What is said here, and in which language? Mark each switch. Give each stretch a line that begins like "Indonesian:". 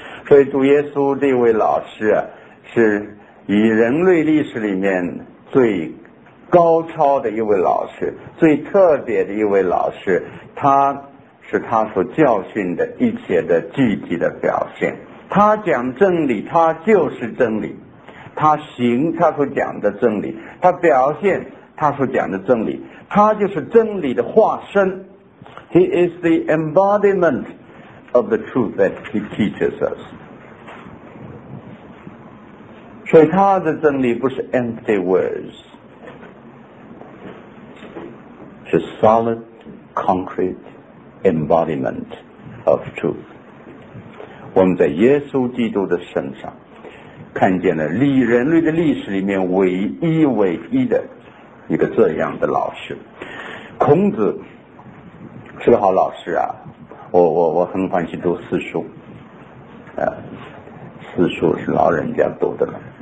Chinese: 所以主耶稣这位老师啊，是以人类历史里面最高超的一位老师，最特别的一位老师，他是他所教训的一切的具体的表现。他讲真理，他就是真理，他行他所讲的真理，他表现他所讲的真理，他就是真理的化身。
English: He is the embodiment of the truth that he teaches us。
Chinese: 所以他的真理不是
English: empty words，
Chinese: 是
English: solid concrete embodiment of truth。
Chinese: 我们在耶稣基督的身上看见了历人类的历史里面唯一唯一的一个这样的老师。孔子是个好老师啊，我很欢喜读四书，四书是老人家读的了。